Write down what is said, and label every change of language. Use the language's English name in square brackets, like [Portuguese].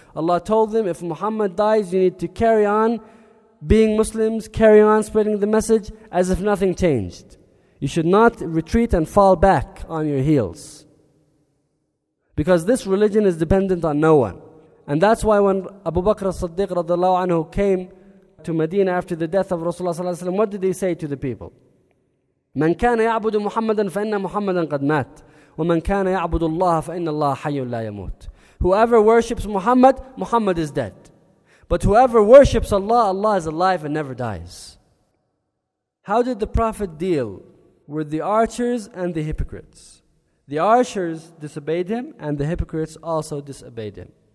[English] Allah told them, if Muhammad dies, you need to carry on being Muslims, carry on spreading the message as if nothing changed. You should not retreat and fall back on your heels. Because this religion is dependent on no one. And that's why when Abu Bakr as-Siddiq radiallahu anhu came to Medina after the death of Rasulullah sallallahu alaihi wasallam, what did he say to the people? [Arabic] من كان يعبد محمدا فإن محمدا قد مات ومن كان يعبد الله فإن الله حي لا يموت. [English] Whoever worships Muhammad, Muhammad is dead. But whoever worships Allah, Allah is alive and never dies. How did the Prophet deal with the archers and the hypocrites? The archers disobeyed him and the hypocrites also disobeyed him.